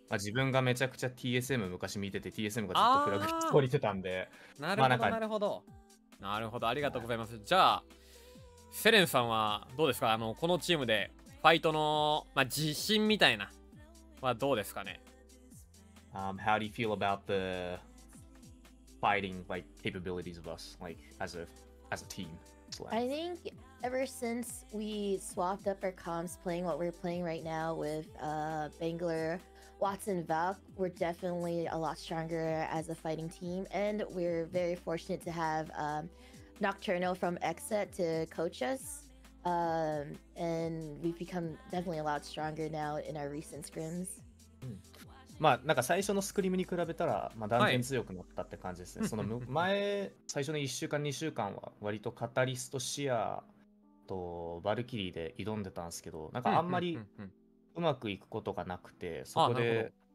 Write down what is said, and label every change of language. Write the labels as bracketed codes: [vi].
[ja] まあ、自分がめちゃくちゃ TSM 昔見てて、 TSM がずっとフラグ取りてたんで、なるほど、まあ、なるほど、なるほど、ありがとうございます。じゃあセレンさんはどうですか、このチームでファイトの、まあ、自信みたいなはどうですかね。 [en] How do you feel about the fighting like capabilities of us like as a team? I think ever since we swapped up our comps playing what we're playing right now with Bangler, Watson, Valk, we're definitely a lot stronger as a fighting team and we're very fortunate to have Nocturnal from Exet to coach us, and we've become definitely a lot stronger now in our recent scrims. [ja] まあなんか最初のスクリームに比べたら、まあ断然強くなったって感じですね。はい、その前最初の1週間2週間は割とカタリスト、シアとバルキリーで挑んでたんですけど、なんかあんまりうまくいくことがなくて、そこで